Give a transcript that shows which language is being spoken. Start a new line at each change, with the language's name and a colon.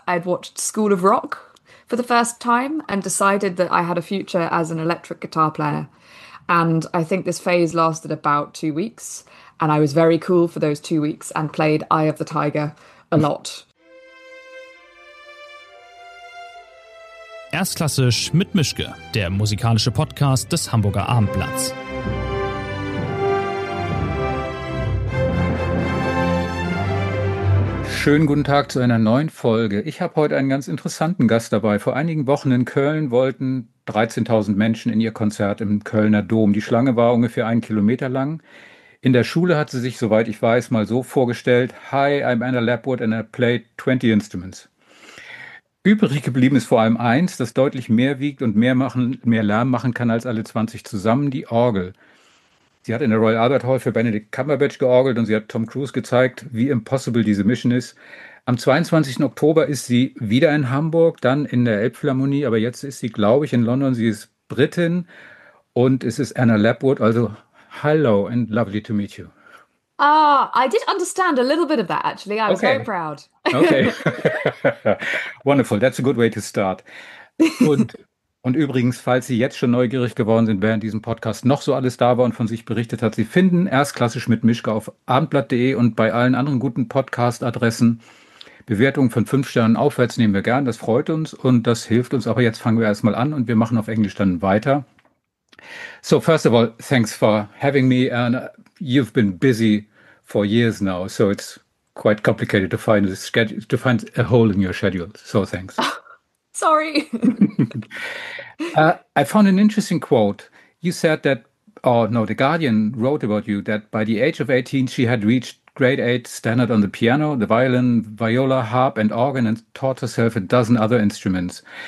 English: I'd watched School of Rock for the first time and decided that I had a future as an electric guitar player. And I think this phase lasted about 2 weeks. And I was very cool for those 2 weeks and played Eye of the Tiger a lot.
German: Erstklassisch mit Mischke, der musikalische Podcast des Hamburger Abendblatts. Schönen guten Tag zu einer neuen Folge. Ich habe heute einen ganz interessanten Gast dabei. Vor einigen Wochen in Köln wollten 13.000 Menschen in ihr Konzert im Kölner Dom. Die Schlange war ungefähr 1 Kilometer lang. In der Schule hat sie sich, soweit ich weiß, mal so vorgestellt:
English: Hi, I'm Anna Lapwood and I play 20 instruments.
German: Übrig geblieben ist vor allem eins, das deutlich mehr wiegt und mehr Lärm machen kann als alle 20 zusammen, die Orgel. Sie hat in der Royal Albert Hall für Benedict Cumberbatch georgelt und sie hat Tom Cruise gezeigt, wie impossible diese Mission ist. Am 22. Oktober ist sie wieder in Hamburg, dann in der Elbphilharmonie, aber jetzt ist sie, glaube ich, in London. Sie ist Britin und es ist Anna Lapwood.
English: Also, hello and lovely to meet you. Ah, I did understand a little bit of that, actually. I was okay. Very proud. Okay. Wonderful. That's a good way to start.
German: Und übrigens, falls Sie jetzt schon neugierig geworden sind, während diesem Podcast noch so alles da war und von sich berichtet hat, Sie finden Erstklassisch mit Mischke auf abendblatt.de und bei allen anderen guten Podcast-Adressen. Bewertungen von 5 Sternen aufwärts nehmen wir gern. Das freut uns und das hilft uns. Aber jetzt fangen wir erstmal an und wir machen auf Englisch dann weiter.
English: So, first of all, thanks for having me, Anna. You've been busy for years now, so it's quite complicated to find a schedule, to find a hole in your schedule. So thanks. Sorry. I found an interesting quote. You said that, The Guardian wrote about you that by the age of 18, she had reached grade 8 standard on the piano, the violin, viola, harp, and organ, and taught herself a dozen other instruments.